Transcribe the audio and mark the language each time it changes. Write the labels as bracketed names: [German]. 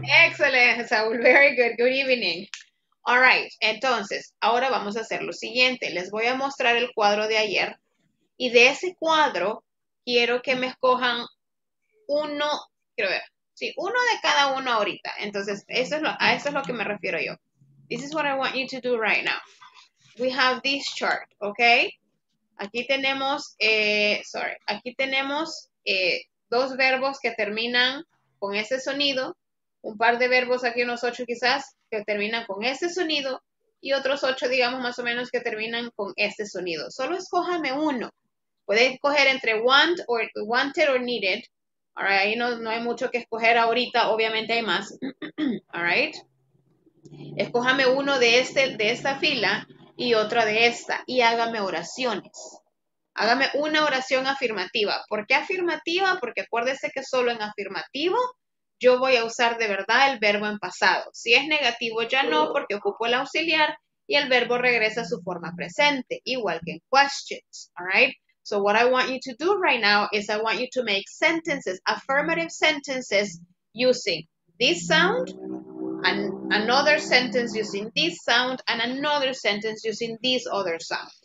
[English] Excellent, Saúl. Very good. Good evening. All right. [Spanish] Entonces, ahora vamos a hacer lo siguiente. Les voy a mostrar el cuadro de ayer. Y de ese cuadro, quiero que me escojan uno, quiero ver, sí, uno de cada uno ahorita. Entonces, eso es lo, a eso es lo que me refiero yo. [English] This is what I want you to do right now. We have this chart, okay? [Spanish] Aquí tenemos, aquí tenemos dos verbos que terminan con ese sonido, un par de verbos aquí, unos ocho quizás, que terminan con ese sonido, y otros ocho, digamos, más o menos, que terminan con ese sonido. Solo escójame uno. Puede escoger entre [English] want or wanted or needed. All right, [Spanish] ahí no hay mucho que escoger ahorita, obviamente hay más. All right. Escójame uno de este, de esta fila y otra de esta y hágame oraciones. Hágame una oración afirmativa. ¿Por qué afirmativa? Porque acuérdese que solo en afirmativo yo voy a usar de verdad el verbo en pasado. Si es negativo ya no, porque ocupo el auxiliar y el verbo regresa a su forma presente, igual que en questions. [English] All right. So what I want you to do right now is I want you to make sentences, affirmative sentences, using this sound and another sentence using this sound and another sentence using this other sound.